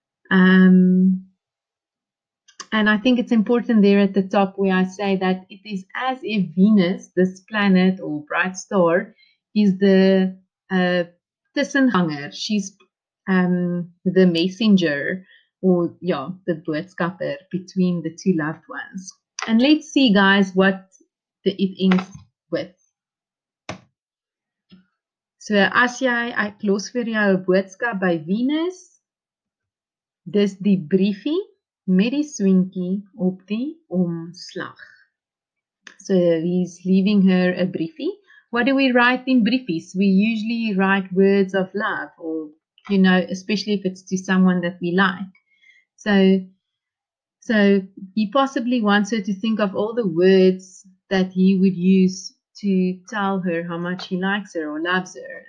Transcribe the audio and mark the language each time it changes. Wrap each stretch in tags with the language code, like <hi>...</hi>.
<en>And I think it's important there at the top where I say that it is as if Venus, this planet or bright star, is the tussenhanger. She's the messenger, or yeah, the boodskapper between the two loved ones. And let's see, guys, what it ends with.</en> <af>So, as jy, ek los vir jou 'n boodskap by Venus, dis die briefie met die swinkie op die omslag.</af> <en>So, he's leaving her a briefie. What do we write in briefies? We usually write words of love, or, you know, especially if it's to someone that we like. So he possibly wants her to think of all the words that he would use to tell her how much he likes her or loves her.</en>